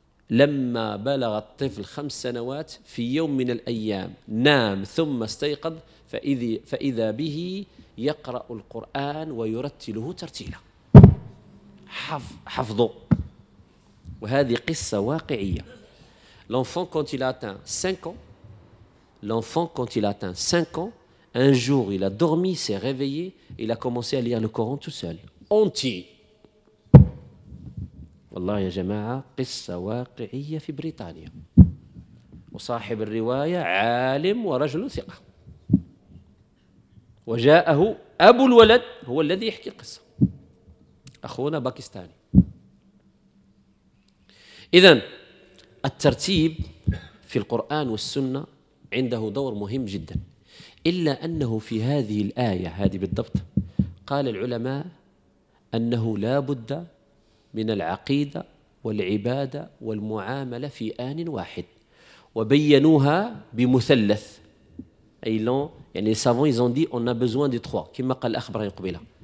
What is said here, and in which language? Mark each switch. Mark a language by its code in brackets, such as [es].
[ar] لما بلغ الطفل 5 سنوات في يوم من الأيام نام ثم استيقظ فإذا به يقرأ القرآن ويرتله ترتيلا حفظه وهذه قصة واقعية. [fr] L'enfant quand il a atteint 5 ans, l'enfant quand il a atteint 5 ans, un jour il a dormi, s'est réveillé, il a commencé à lire le Coran tout seul. Entier. [ar] والله يا جماعة قصة واقعية في بريطانيا. وصاحب الرواية عالم ورجل ثقة. وجاءه أبو الولد هو الذي يحكي القصة. أخونا باكستاني. إذن الترتيب في القرآن والسنة عنده دور مهم جدا إلا أنه في هذه الآية هذه بالضبط قال العلماء أنه لا بد من العقيدة والعبادة والمعاملة في آن واحد وبينوها بمثلث أي لا يعني [fr] savants ils ont dit on a besoin des trois [ar] كما قال الأخ إبراهيم قبيلة